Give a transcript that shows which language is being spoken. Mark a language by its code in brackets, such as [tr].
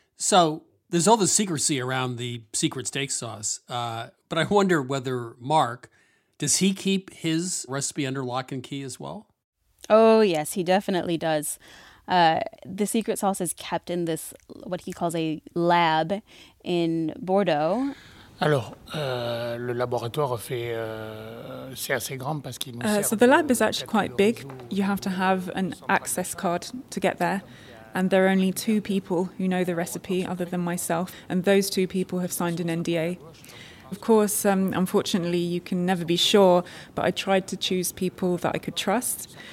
[en] So there's all the secrecy around the secret steak sauce, but I wonder whether Mark, does he keep his recipe under lock and key as well? Oh, yes, he definitely does. The secret sauce is kept in this, what he calls a lab in Bordeaux. [fr] Alors, le laboratoire fait, c'est assez grand parce qu'il nous sert. [en] So the lab is actually quite big. You have to have an access card to get there. And there are only two people who know the recipe other than myself. And those two people have signed an NDA. Of course, unfortunately, you can never be sure, but I tried to choose people that I could trust.